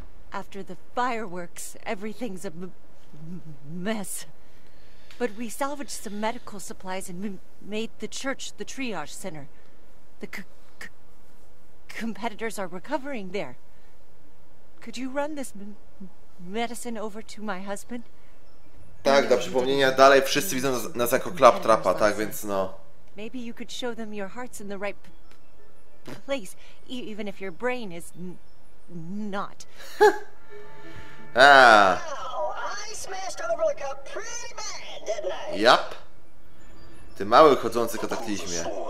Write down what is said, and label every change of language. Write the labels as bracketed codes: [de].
[en] After the fireworks, everything's a mess. But we salvaged some medical supplies and made the church the triage center. The competitors are recovering there. Could you run this medicine over to my husband? [pl] Tak, dla przypomnienia, dalej wszyscy widzą nas jako Claptrapa, tak więc no. [en] Maybe you could show them your heart's in the right place, even if your brain is not. Ah. I smashed over like a pretty man, didn't I? Yep. [pl] Ty mały chodzący kataklizmie.